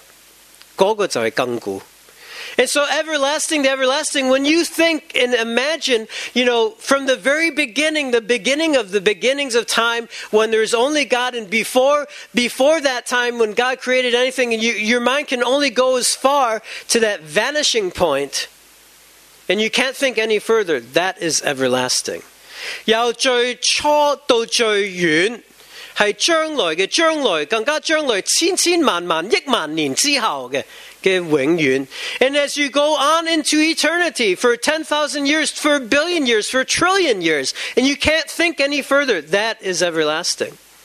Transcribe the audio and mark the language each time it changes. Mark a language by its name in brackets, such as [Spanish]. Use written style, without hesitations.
[Chinese] 因为这个亘古就是当你想到开始未有任何事之前是只有神，你想到最初最初，跟着你没办法再想更加远的时候，那个就是亘古。 [English] And so everlasting to everlasting, when you think and imagine, you know, from the very beginning, the beginning of the beginnings of time, when there's only God, and before that time, when God created anything, and your mind can only go as far to that vanishing point, and you can't think any further, that is everlasting. [Chinese] 由最初到最远，是将来的将来，更加将来千千万万亿万年之后的。 [English] And as you go on into eternity for 10,000 years, for a billion years, for a trillion years, and you can't think any further, that is everlasting.